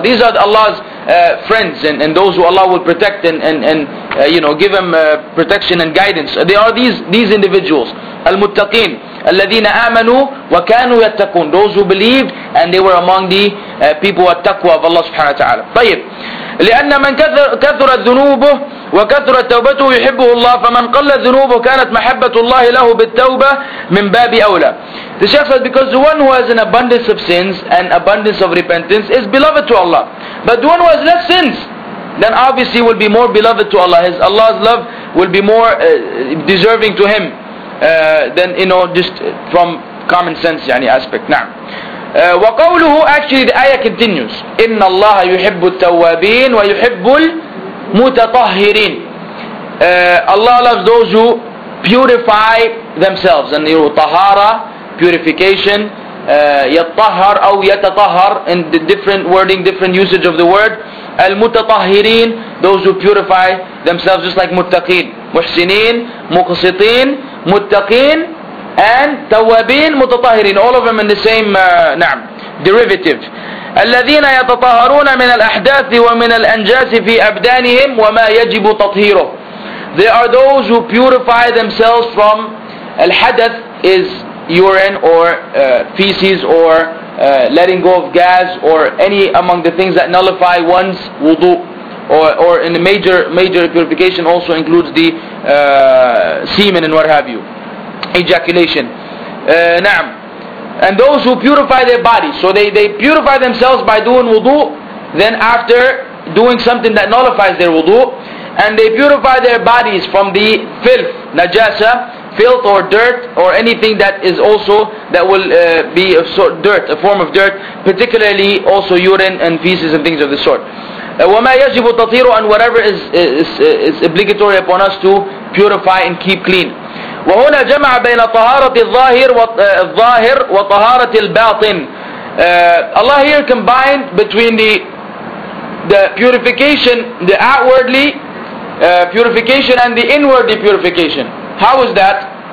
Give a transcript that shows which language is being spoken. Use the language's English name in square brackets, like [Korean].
[English] These are Allah's friends and those who Allah will protect and give them protection and guidance. They are these individuals. Al-Muttaqeen. [Arabic] Al-Ladina amanu wa kanu yattaqun. [English] Those who believed and they were among the people at taqwa of Allah subhanahu wa ta'ala. [Arabic] طيب. لأن من كثر الذنوب وكثر توبته يحبه الله فمن قل الذنوب كانت محبة الله له بالتوبة من باب أولى. [English] The Shaykh said, because the one who has an abundance of sins and abundance of repentance is beloved to Allah, but the one who has less sins, then obviously will be more beloved to Allah. His Allah's love will be more deserving to him than, you know, just from common sense يعني aspect. [Arabic] نعم. وقوله, [English] actually the ayah continues, [Arabic] إِنَّ اللَّهَ يُحِبُّ التَّوَّابِينَ وَيُحِبُّ الْمُتَطَهِّرِينَ. [English] Allah loves those who purify themselves, and you tahara, purification, yattahhar or yatatahhar, in the different wording, different usage of the word. المتطهرين, those who purify themselves, just like muttaqin, muhsinin, muqsitin, muttaqin, and tawabin, mutatahirin, all of them in the same نعم, derivative. [Arabic] الذين يتطهرون من الأحداث ومن الأنجاس في أبدانهم وما يجب تطهيره. [English] They are those who purify themselves from الحدث, is urine or feces or letting go of gas or any among the things that nullify one's wudu, or in the major purification also includes the semen and what have you, ejaculation. [Arabic] نعم. [English] And those who purify their bodies, so they purify themselves by doing wudu, then after doing something that nullifies their wudu, and they purify their bodies from the filth, najasa, filth or dirt, or anything that is also, that will be a sort of dirt, a form of dirt, particularly also urine and feces and things of the sort. [Arabic] وَمَا يَجِبُ تَطِيرُ, [English] and whatever is obligatory upon us to purify and keep clean. [Arabic] وهنا جمع بين طهارة الظاهر وطهارة الباطن. [English] Allah here combined between the purification, the outwardly purification, and the inwardly purification. How is that?